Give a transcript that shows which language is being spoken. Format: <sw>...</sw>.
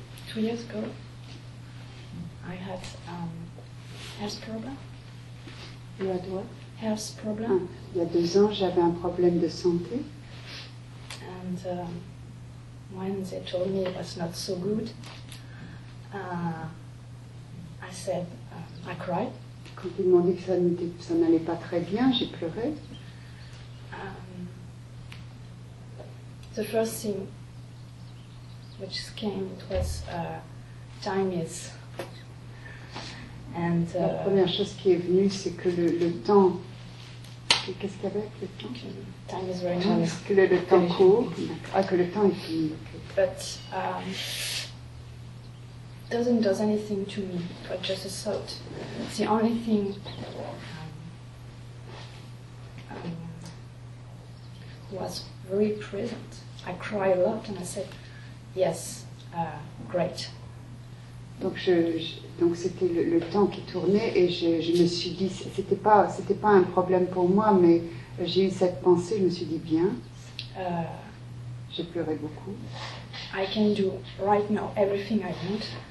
<en>Two years ago, I had health problem. You had what? Health problem.</en> <fr>Ah, il y a deux ans, j'avais un problème de santé.</fr> <en>And when they told me it was not so good, I said, I cried.</en> <fr>Quand ils m'ont dit que ça n'allait pas très bien, j'ai pleuré.</fr> <en>The first thing which came, it was time is. And,</en> <fr>la première chose qui est venue, c'est que le temps. Qu'est-ce qu'il y avait avec le temps?</fr> <en>Time is running out.</en> <fr>Que le temps court. Ah, que le temps est fini. Okay.</fr> <en>But doesn't do anything to me. It was just a thought. The only thing was very present. I cry a lot, and I said, "Yes, great."</en> <fr>Donc c'était le temps qui tournait et je me suis dit, c'était pas un problème pour moi, mais j'ai eu cette pensée, je me suis dit bien. J'ai pleuré beaucoup.</fr> <en>I can do right now everything I want.</en>